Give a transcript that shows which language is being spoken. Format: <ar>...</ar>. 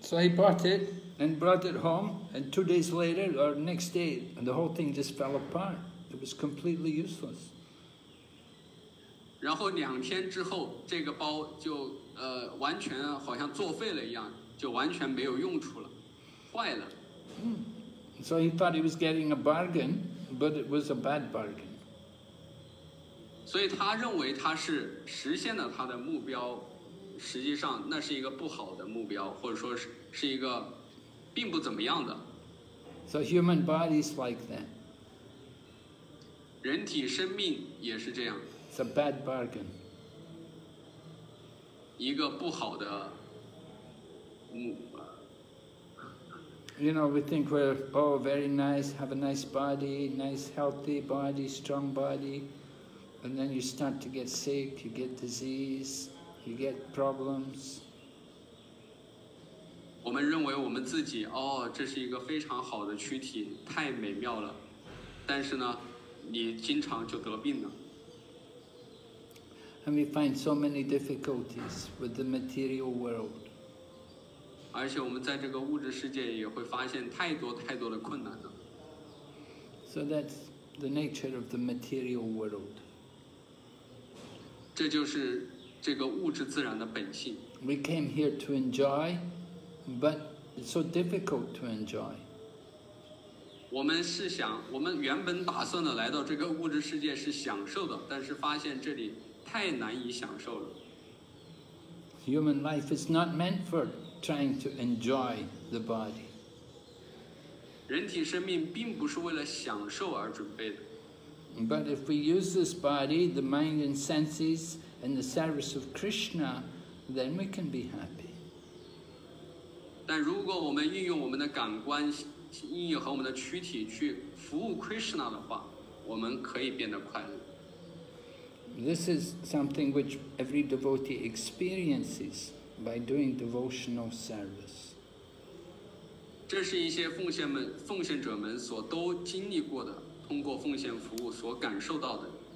<en>So he bought it and brought it home, and 2 days later or next day, and the whole thing just fell apart. It was completely useless.</en> <zh>然后两天之后，这个包就完全好像作废了一样，就完全没有用处了，坏了。</zh> <en>So he thought he was getting a bargain, but it was a bad bargain.</en> <zh>所以他认为他是实现了他的目标，实际上那是一个不好的目标，或者说是一个并不怎么样的。</zh> <en>So human body is like that.</en> <zh>人体生命也是这样。</zh> <en>It's a bad bargain.</en> <zh>一个不好的目。</zh> <en>You know, we think we're, oh, very nice, have a nice body, nice healthy body, strong body. And then you start to get sick, you get disease, you get problems.</en> <zh>我们认为我们自己，哦，这是一个非常好的躯体，太美妙了。但是呢，你经常就得病了。</zh> <en>And we find so many difficulties with the material world.</en> <zh>而且我们在这个物质世界也会发现太多太多的困难了。</zh> <en>So that's the nature of the material world.</en> <zh>这就是这个物质自然的本性。</zh> <en>We came here to enjoy, but it's so difficult to enjoy.</en> <zh>我们是想，我们原本打算的来到这个物质世界是享受的，但是发现这里太难以享受了。</zh> <en>Human life is not meant for trying to enjoy the body.</en> <zh>人体生命并不是为了享受而准备的。</zh> <en>But if we use this body, the mind and senses, in the service of Krishna, then we can be happy.</en> <zh>但如果我们运用我们的感官、意义和我们的躯体去服务 Krishna 的话，我们可以变得快乐。</zh> <en>This is something which every devotee experiences by doing devotional service.</en> <zh>这是一些奉献者们所都经历过的，通过奉献服务所感受到的。</zh>